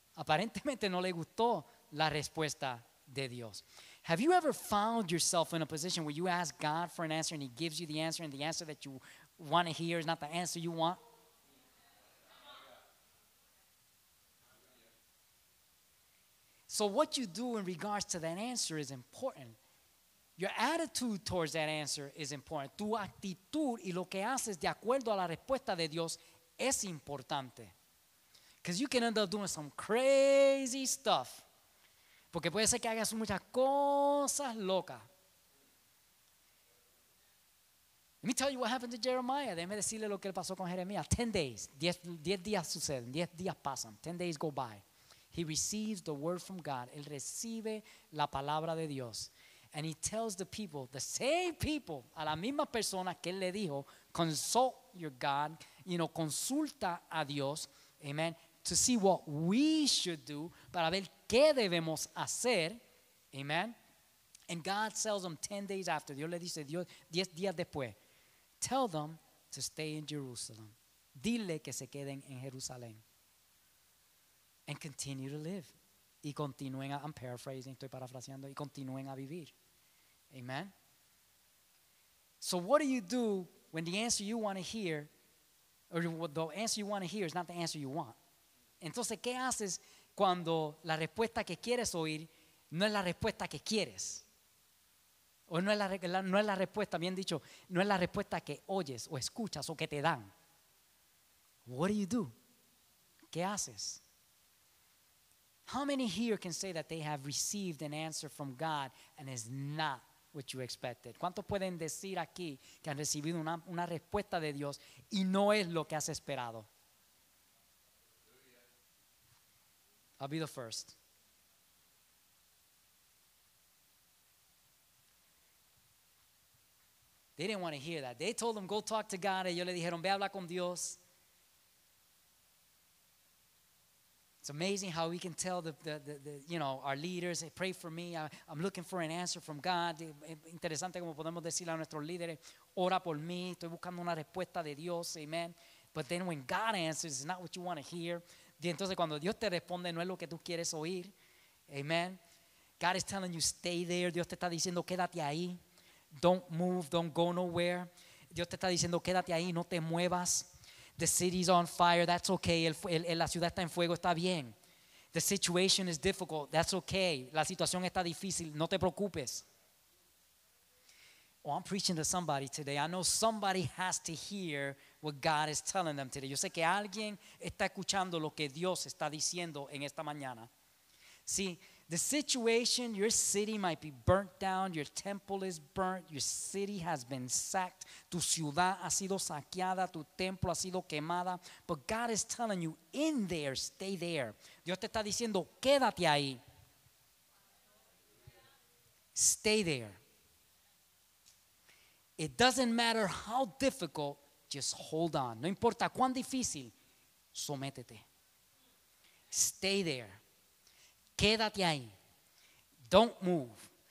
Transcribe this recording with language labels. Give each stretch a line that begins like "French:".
Spanish: Aparentemente no le gustó la respuesta de Dios.
English: Have you ever found yourself in a position where you ask God for an answer and he gives you the answer and the answer that you want to hear is not the answer you want? So what you do in regards to that answer is important. Your attitude towards that answer is important.
Spanish: Tu actitud y lo que haces de acuerdo a la respuesta de Dios es importante.
English: Because you can end up doing some crazy stuff.
Spanish: Porque puede ser que hagas muchas cosas locas.
English: Let me tell you what happened to Jeremiah.
Spanish: Déjeme decirle lo que pasó con Jeremías.
English: 10 days.
Spanish: 10 días suceden. 10 días pasan.
English: 10 days go by. He receives the word from God.
Spanish: Él recibe la palabra de Dios.
English: And he tells the people, the same people,
Spanish: a la misma persona que él le dijo,
English: consult your God, you know,
Spanish: consulta a Dios, amen, to see what we should do, para ver qué debemos hacer, amen.
English: And God tells them 10 days after,
Spanish: Dios le dice, 10 días después,
English: tell them to stay in Jerusalem.
Spanish: Dile que se queden en Jerusalén.
English: And continue to live.
Spanish: Y continúen a,
English: I'm paraphrasing,
Spanish: estoy parafraseando, y continúen a vivir. Amen.
English: So what do you do when the answer you want to hear, or the answer you want to hear is not the answer you want?
Spanish: Entonces, ¿qué haces cuando la respuesta que quieres oír no es la respuesta que quieres? O no es la, no es la respuesta, bien dicho, no es la respuesta que oyes o escuchas o que te dan.
English: What do you do?
Spanish: ¿Qué haces?
English: How many here can say that they have received an answer from God and is not what you expected?
Spanish: ¿Cuántos pueden decir aquí que han recibido una respuesta de Dios y no es lo que has esperado?
English: I'll be the first. They didn't want to hear that. They told them, go talk to God.
Spanish: Ellos le dijeron, ve habla con Dios.
English: It's amazing how we can tell the our leaders, hey, pray for me. I'm looking for an answer from God.
Spanish: Interesante como podemos decirle a nuestros líderes, ora por mí. Estoy buscando una respuesta de Dios. Amen.
English: But then when God answers, it's not what you want to hear.
Spanish: Y entonces cuando Dios te responde, no es lo que tú quieres oír.
English: Amen. God is telling you, stay there.
Spanish: Dios te está diciendo, quédate ahí.
English: Don't move. Don't go nowhere.
Spanish: Dios te está diciendo, quédate ahí. No te muevas.
English: The city's on fire, that's okay.
Spanish: La ciudad está en fuego, está bien.
English: The situation is difficult, that's okay.
Spanish: La situación está difícil, no te preocupes.
English: Oh, I'm preaching to somebody today. I know somebody has to hear what God is telling them today.
Spanish: Yo sé que alguien está escuchando lo que Dios está diciendo en esta mañana.
English: See, the situation, your city might be burnt down, your temple is burnt, your city has been sacked.
Spanish: Tu ciudad ha sido saqueada, tu templo ha sido quemada.
English: But God is telling you, in there, stay there.
Spanish: Dios te está diciendo, quédate ahí.
English: Stay there. It doesn't matter how difficult, just hold on.
Spanish: No importa cuán difícil, sométete.
English: Stay there.
Spanish: Quédate ahí.
English: Don't move.